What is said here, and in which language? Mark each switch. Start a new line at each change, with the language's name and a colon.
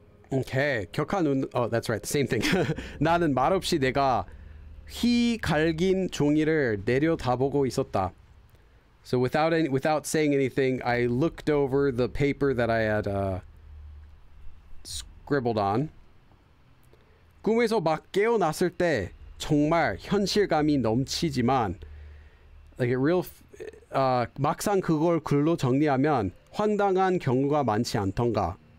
English: Okay, 격한 운. Oh, that's right. The same thing.
Korean: 나는 말없이 내가 휘 갈긴 종이를 내려다보고 있었다.
English: So without saying anything, I looked over the paper that I had scribbled on.
Korean: 꿈에서 막 깨어났을 때 정말 현실감이 넘치지만,
English: like a real,
Korean: 막상 그걸 글로 정리하면 황당한 경우가 많지 않던가.